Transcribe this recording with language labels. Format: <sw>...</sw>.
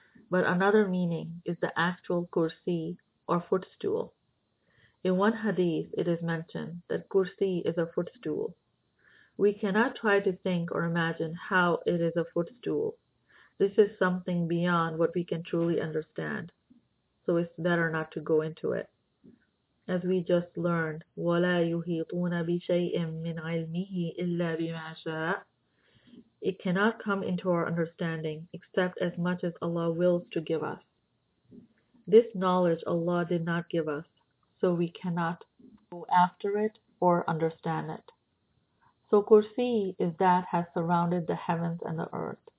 <en>But another meaning is the actual kursi or footstool. In one hadith, it is mentioned that kursi is a footstool. We cannot try to think or imagine how it is a footstool. This is something beyond what we can truly understand. So it's better not to go into it. As we just learned,</en> <ar>وَلَا يُحِيطُونَ بِشَيْءٍ مِّنْ عِلْمِهِ إِلَّا بِمَا شَاءَ.</ar> <en>It cannot come into our understanding except as much as Allah wills to give us. This knowledge Allah did not give us, so we cannot go after it or understand it. So kursi is that has surrounded the heavens and the earth.</en>